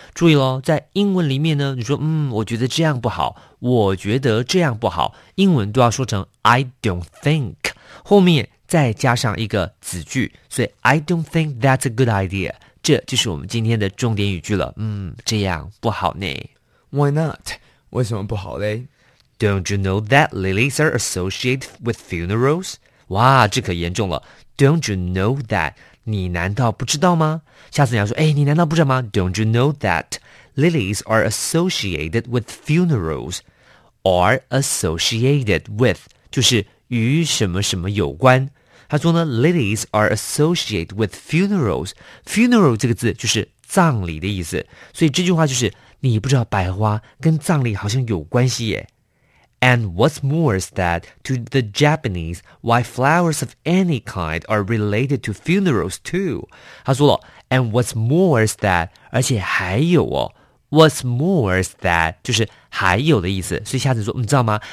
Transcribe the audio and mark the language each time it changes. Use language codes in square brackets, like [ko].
[zh] 注意咯在英文里面呢你说我觉得这样不好我觉得这样不好英文都要说成 [en] I don't think. [zh] 后面再加上一个子句所以 [en] I don't think that's a good idea. [zh] 这就是我们今天的重点语句了这样不好呢。 [en] Why not? [zh] 为什么不好嘞? [en] Don't you know that lilies are associated with funerals? [zh] 哇,这可严重了。 [en] Don't you know that? [zh] 你难道不知道吗? 下次你要说,你难道不知道吗? [en] Don't you know that lilies are associated with funerals? Are associated with, [zh] 就是与什么什么有关。他说呢 , [en] lilies are associated with funerals. [zh] Funeral 这个字就是葬礼的意思。所以这句话就是你不知道百合花跟葬礼好像有关系耶。 [en] And what's more is that to the Japanese, why flowers of any kind are related to funerals too. [zh] 他说了 , [en] and what's more is that, [zh] 而且还有哦 [en] What's more is that [zh] 就是还有的意思，所以下次说，你知道吗？